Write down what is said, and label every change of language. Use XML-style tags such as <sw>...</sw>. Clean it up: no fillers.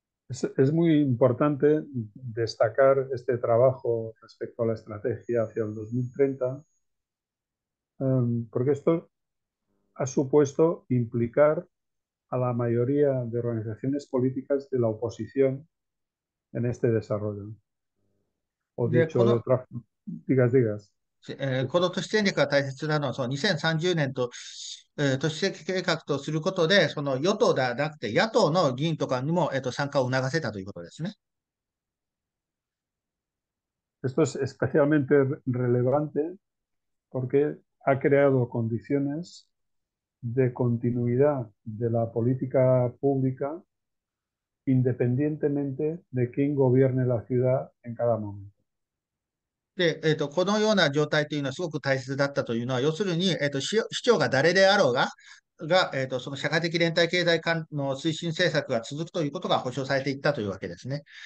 <es>Es muy importante destacar este trabajo respecto a la estrategia hacia el 2030, porque esto ha supuesto implicar a la mayoría de organizaciones políticas de la oposición en este desarrollo. O で、 dicho de otra forma, digas.</es> <ja>この都市戦略が大切なのは、その2030年と、都市計画とすることで、その与党ではなくて野党の議員とかにも、参加を促せたということですね。</ja> <es>Esto es especialmente relevante porque ha creado condiciones de continuidad de la política pública independientemente de quién gobierne la ciudad en cada momento.</es> <ja>で、このような状態というのはすごく大切だったというのは、要するに、市長が誰であろうが、その社会的連帯経済の推進政策が続くということが保障されていったというわけですね。</ja>